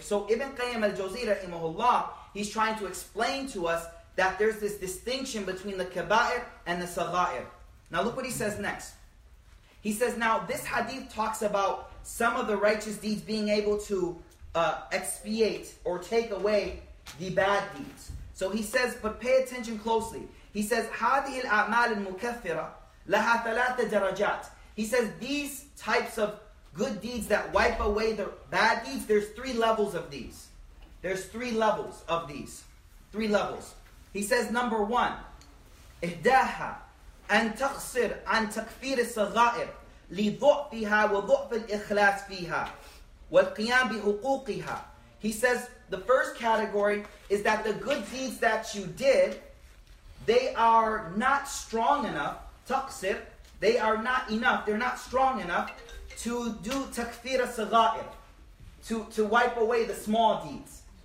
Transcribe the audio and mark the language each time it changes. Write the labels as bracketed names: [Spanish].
[English] So Ibn Qayyim al-Jawzi, rahimahullah, he's trying to explain to us that there's this distinction between the kaba'ir and the saga'ir. Now look what he says next. He says, now this hadith talks about some of the righteous deeds being able to expiate or take away the bad deeds. So he says, but pay attention closely. He says, [Arabic] هذه الأعمال المكفرة لها ثلاثة درجات. [English] He says, these types of good deeds that wipe away the bad deeds, there's three levels of these. There's three levels of these. Three levels. He says, number one, [Arabic] إهداها أن تقصر عن تكفير الصغائر لضعفها وضعف الإخلاص فيها والقيام بحقوقها. [English] He says, the first category is that the good deeds that you did, they are not strong enough, تقصر, they are not enough, they're not strong enough to do takfir al-sagair, to wipe away the small deeds.